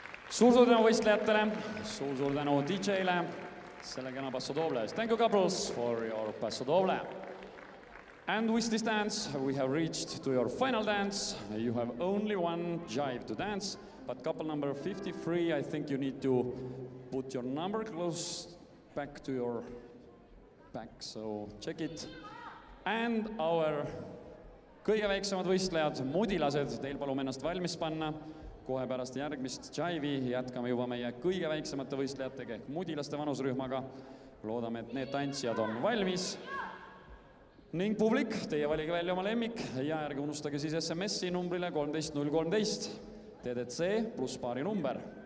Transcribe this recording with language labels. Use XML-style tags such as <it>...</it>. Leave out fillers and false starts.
<et>Suur suur tänu võistlejatele, suur suur tänu DJ-le, selle kena passo doble.</et> <en>Thank you couples for your passo doble. And with this dance, we have reached to your final dance. You have only one jive to dance, but couple number 53, I think you need to put your number close back to your back, so check it. And our</en> <et>kõige väiksemad võistlejad, mudilased, teil palum ennast valmis panna. Kohe pärast järgmist jaivi jätkame juba meie kõige väiksemate võistlejatega ehk mudilaste vanusrühmaga. Loodame, et need tantsijad on valmis. Ning publik, teie valige välja oma lemmik ja järgi unustage siis SMS-i numbrile 13013, TDC plus paari number.</et>